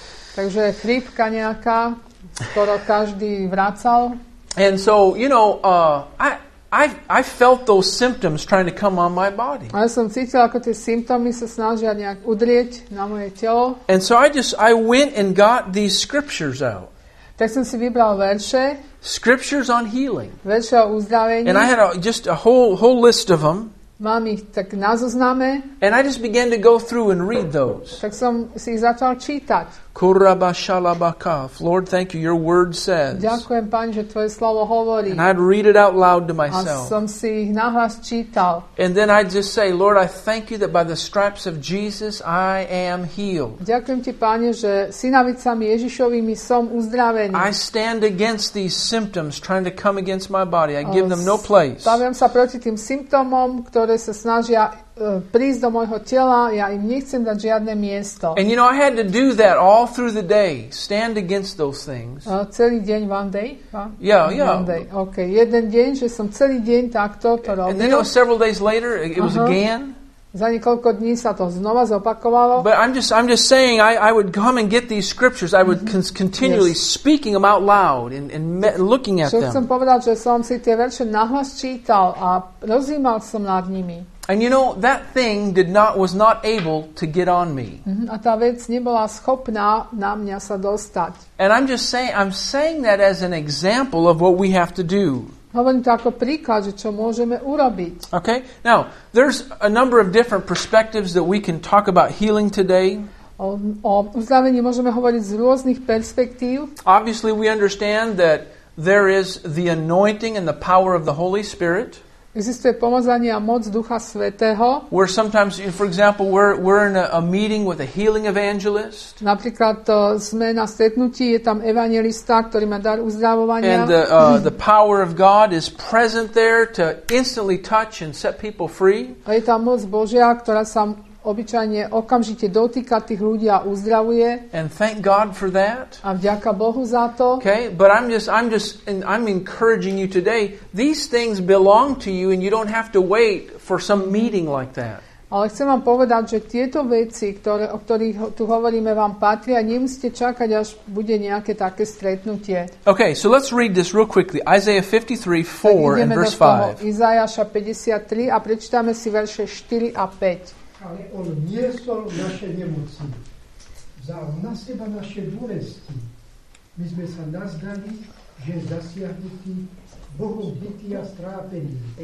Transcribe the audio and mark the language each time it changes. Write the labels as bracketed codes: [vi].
[sk] Takže chrípka nejaká, ktorú každý vracal. [en] And so, you know, I felt those symptoms trying to come on my body. [sk] A ja som cítil, ako tie symptómy sa snažia nejak udrieť na moje telo. [en] And so I went and got these scriptures out. [sk] Tak som si vybral verše. [en] Scriptures on healing. [sk] Verše o uzdravení. [en] And I had just a whole list of them. [sk] Mám ich tak na zozname. [en] And I just began to go through and read those. [sk] Tak som si ich začal čítať. Kuraba shalabaka. [en] Lord, thank you, your word says. [sk] Ďakujem, Pán, že tvoje slovo hovorí. [en] And I'd read it out loud to myself. [sk] A som si ich nahlas čítal. [en] And then I'd just say, Lord, I thank you that by the stripes of Jesus I am healed. [sk] Ďakujem ti, Pane, že synavicami Ježišovými som uzdravený. [en] I stand against these symptoms trying to come against my body. I give them no place. [sk] Staviam sa proti tým symptomom, ktoré sa snažia prísť do môjho tela, ja im nechcem dať žiadne miesto. [en] And you know, I had to do that all through the day, stand against those things. [sk] Celý deň, [en] one day? Yeah. [sk] Okay, jeden deň, že som celý deň takto to robil. [en] And then, you know, several days later, it was again. [sk] Za niekoľko dní sa to znova zopakovalo. [en] But I'm just saying, I would come and get these scriptures. I would continually speaking them out loud and looking at them. [sk] Čo som povedal, že som si tie verše nahlas čítal a rozjímal som nad nimi. [en] And you know, that thing was not able to get on me. [sk] A tá vec nebola schopná na mňa sa dostať. [en] And I'm saying that as an example of what we have to do. [sk] Hovorím to ako príklad, že čo môžeme urobiť. [en] Okay? Now, there's a number of different perspectives that we can talk about healing today. [sk] O uzdravení môžeme hovoriť z rôznych perspektív. [en] Obviously, we understand that there is the anointing and the power of the Holy Spirit. [sk] Existuje pomazanie a moc Ducha Svätého. [en] We're sometimes, for example, we're in a meeting with a healing evangelist. [sk] Napríklad sme na stretnutí, je tam evangelista, ktorý má dar uzdravovania. [en] And the power of God is present there to instantly touch and set people free. [sk] A je tam moc Božia, ktorá sa obyčajne okamžite dotýka tých ľudí a uzdravuje. [en] And thank God for that. [sk] A vďaka Bohu za to. [en] Okay, but I'm encouraging you today. These things belong to you and you don't have to wait for some meeting like that. [sk] Ale chcem vám povedať, že tieto veci, o ktorých tu hovoríme, vám patria. Nemusíte čakať, až bude nejaké také stretnutie. [en] Okay, so let's read this real quickly. Isaiah 53:4 and verse 5. [sk] Izajaša 53 a prečítame si verše 4 a 5. Ale on niesol naše nemoci, vzal na seba naše bolesti. My sme sa nazdali, že zasiahnutí, Bohu bytí a strápení.